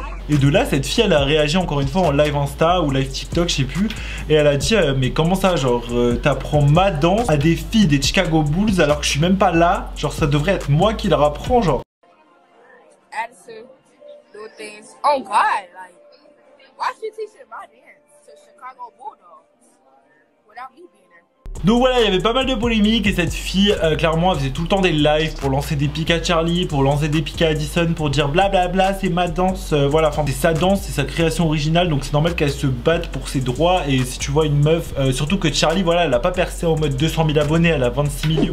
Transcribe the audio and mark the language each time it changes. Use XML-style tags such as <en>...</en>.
<fr>Et de là, cette fille, elle a réagi encore une fois en live Insta ou live TikTok, je sais plus. Et elle a dit, mais comment ça, genre, t'apprends ma danse à des filles des Chicago Bulls alors que je suis même pas là? Genre, ça devrait être moi qui leur apprends, genre.</fr> <en>Addison, do things. Oh God, like, why she teaching my dance to Chicago Bulldogs without me being there?</en> <fr>Donc voilà, il y avait pas mal de polémiques et cette fille, clairement, elle faisait tout le temps des lives pour lancer des piques à Charlie, pour lancer des piques à Addison, pour dire blablabla, c'est ma danse, voilà, enfin, c'est sa danse, c'est sa création originale, donc c'est normal qu'elle se batte pour ses droits. Et si tu vois une meuf, surtout que Charlie, voilà, elle a pas percé en mode 200 000 abonnés, elle a 26 millions.</fr>